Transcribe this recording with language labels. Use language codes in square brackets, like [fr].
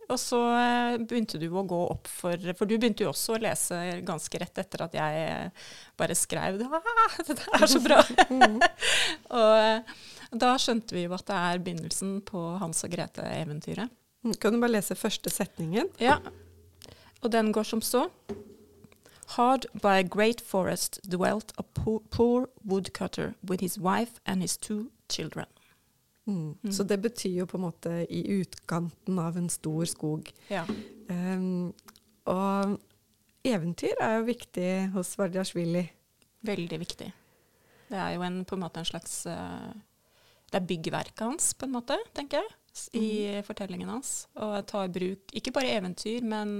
[no] Og så begynte du å gå opp for du begynte jo også å lese ganske rett etter at jeg bare skrev, dette er så bra. Og da skjønte vi jo at det er begynnelsen på Hans og Grete-eventyret. Kan du bare lese første setningen? Ja. Og den går som så. [en] Hard by a great forest dwelt a poor woodcutter with his wife and his two children. [no] Så det betyr jo på en måte i utkanten av en stor skog. Ja. Og eventyr er jo viktig hos Vardjashvili. Veldig viktig. Det er jo en, på en måte en slags, det er byggverket hans på en måte, tenker jeg. I fortellingen hans, og tar bruk, ikke bare eventyr, men